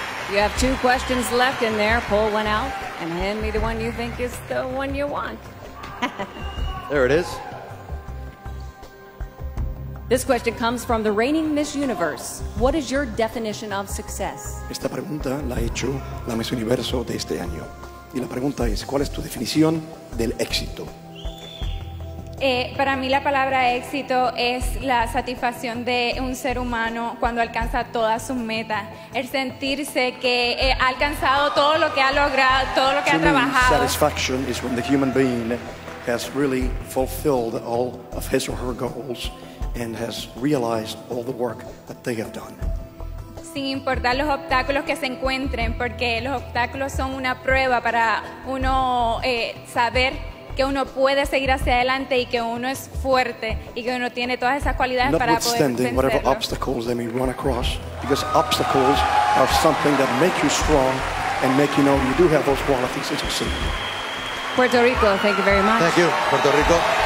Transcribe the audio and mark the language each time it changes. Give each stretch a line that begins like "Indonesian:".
English: You have two questions left in there. Pull one out and hand me the one you think is the one you want. There it is. This question comes from the reigning Miss Universe. What is your definition of success?
Spanish: Esta pregunta la ha hecho la Miss Universo de este año. Y la pregunta es, ¿cuál es tu definición del éxito? Para mí la palabra éxito es la satisfacción de un ser humano cuando alcanza todas sus metas, el sentirse que ha alcanzado todo lo que ha logrado, todo lo que
English: to
Spanish: ha trabajado.
English: Satisfaction is when the human being has really fulfilled all of his or her goals and has realized all the work that they have done.
Spanish: sin importar los obstáculos que se encuentren, porque los obstáculos son una prueba para uno saber que uno puede seguir hacia adelante y que uno es fuerte y que uno tiene todas esas cualidades para poder vencerlo.
English: Notwithstanding whatever obstacles they may run across, because obstacles are something that make you strong and make you know you do have those qualities to succeed. Puerto Rico, thank you very much. Thank you, Puerto Rico.